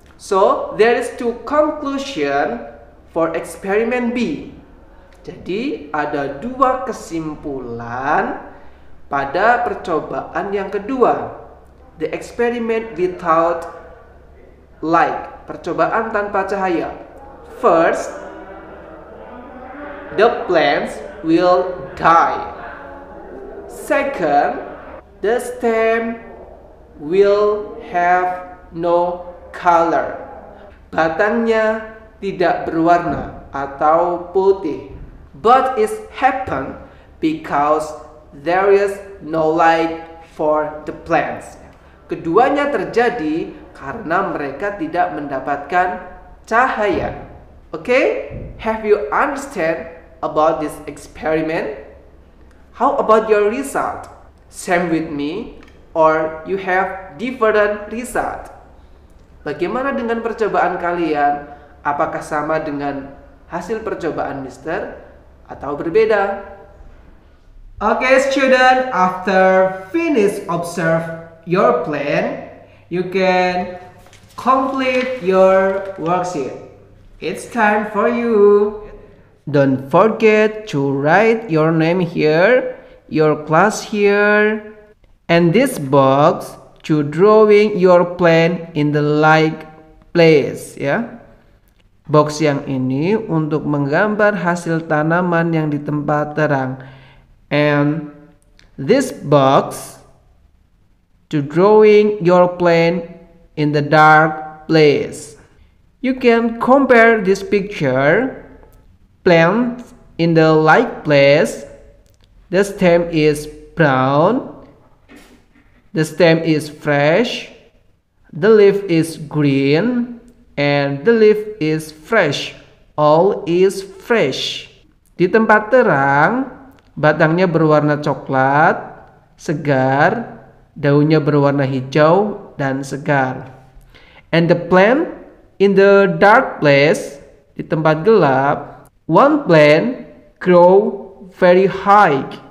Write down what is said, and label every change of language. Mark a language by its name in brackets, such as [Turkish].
[English] So, there is two conclusion for experiment B. [Indonesian] Jadi, ada dua kesimpulan pada percobaan yang kedua. [English] The experiment without light. [Indonesian] Percobaan tanpa cahaya. [English] First, the plants will die. Second, the stem will have no color. [Indonesian] Batangnya tidak berwarna atau putih. [English] But it happened because there is no light for the plants. [Indonesian] Keduanya terjadi karena mereka tidak mendapatkan cahaya. [English] Okay, have you understand about this experiment? How about your result? Same with me, or you have different result? [Indonesian] Bagaimana dengan percobaan kalian? Apakah sama dengan hasil percobaan Mister atau berbeda? [English] Okay, student, after finish observe your plan, you can complete your worksheet. It's time for you. Don't forget to write your name here, your class here, and this box to drawing your plan in the like place, ya. Yeah? [Indonesian] Box yang ini untuk menggambar hasil tanaman yang di tempat terang. [English] And this box to drawing your plan in the dark place. You can compare this picture. Plant in the light place. The stem is brown. The stem is fresh. The leaf is green. And the leaf is fresh. All is fresh. [Indonesian] Di tempat terang, batangnya berwarna coklat, segar, daunnya berwarna hijau, dan segar. [English] And the plant in the dark place, [Indonesian] di tempat gelap, [English] one plant grow very high.